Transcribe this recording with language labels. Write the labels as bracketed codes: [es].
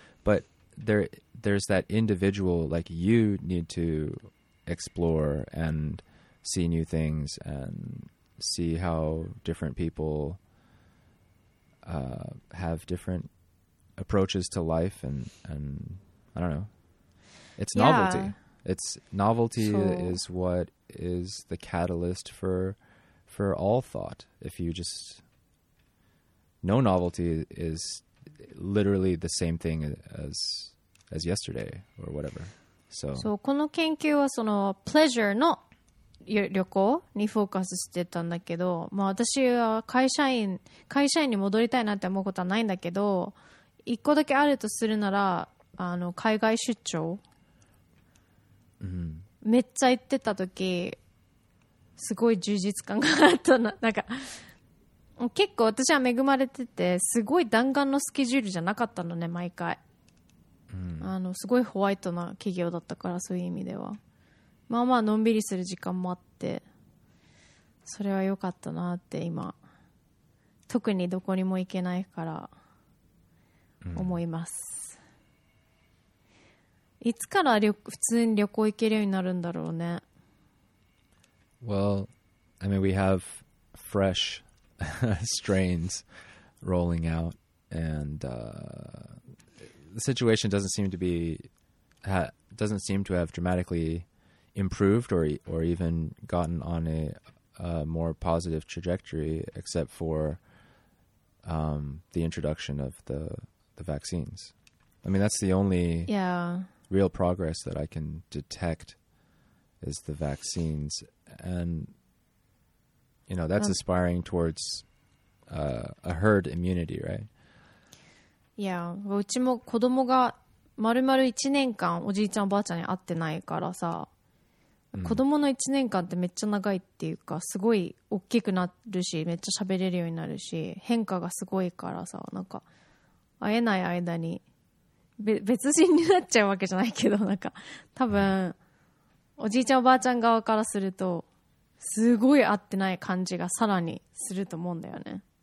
[en] But there's that individual, like, you need to explore and see new things and see how different people have different approaches to life and I don't know. It's novelty. Yeah. It's novelty is what is the catalyst for all thought. If you just no novelty is literally the same thing as yesterday or whatever. So [ja] この研究はそのpleasureの旅行にフォーカスしてたんだけど、まあ、私は会社員に戻りたいなって思うことはないんだけど、一個だけあるとするなら、あの海外出張、 [en] mm-hmm. [ja] めっちゃ行ってた時すごい充実感があったな。なんか結構私は恵まれてて、すごい弾丸のスケジュールじゃなかったのね毎回、 [en] mm-hmm. [ja] あのすごいホワイトな企業だったから、そういう意味ではまあまあのんびりする時間もあって、それは良かったなって、今特にどこにも行けないから思います、うん、いつから普通に旅行行けるようになるんだろうね。 [en] Well, I mean we have fresh strains rolling out and the situation doesn't seem to have dramaticallyimproved or even gotten on a more positive trajectory, except for the introduction of the vaccines. I mean, that's the only real progress that I can detect is the vaccines. And, you know, that's aspiring towards a herd immunity, right? Yeah. [ja] うちも子供が丸々1年間おじいちゃんおばあちゃんに会ってないからさ、子供の1年間ってめっちゃ長いっていうか、すごい大きくなるし、めっちゃ喋れるようになるし、変化がすごいからさ、なんか会えない間に別人になっちゃうわけじゃないけど、なんか多分おじいちゃんおばあちゃん側からするとすごい会ってない感じがさらにすると思うんだよね、